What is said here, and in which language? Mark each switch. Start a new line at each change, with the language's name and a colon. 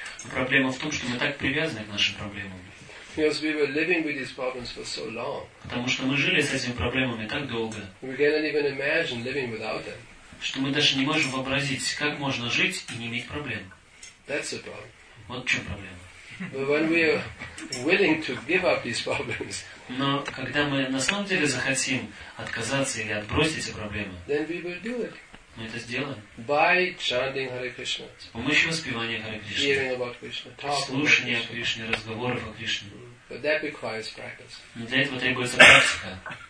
Russian: Проблема в том, что мы так привязаны к нашим проблемам.
English: Because we were living with these problems for so long.
Russian: Потому что мы жили с этими проблемами так долго.
English: We cannot even imagine living without them.
Russian: Что мы даже не можем вообразить, как можно жить и не иметь проблем.
English: That's the problem.
Russian: Вот в чем проблема.
English: But when we are willing to give up these problems.
Russian: Но когда мы на самом деле захотим отказаться или отбросить эти проблемы.
English: Then we will do it.
Russian: Мы это сделаем.
English: By chanting Hare Krishna.
Russian: С помощью воспевания Hare Krishna.
English: Hearing about Krishna.
Russian: Слушания о Кришне, разговоров о Кришне.
English: But that requires practice.
Russian: Но для этого требуется практика.